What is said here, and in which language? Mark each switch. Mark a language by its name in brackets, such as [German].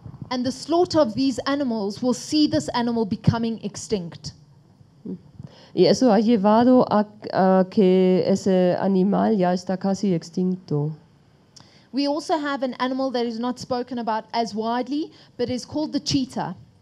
[English] And the slaughter of these animals will see this animal becoming extinct. [Spanish] Y eso ha llevado a que ese animal ya está casi extinto. [English] We also have an animal that is not spoken about as widely, but is called the cheetah.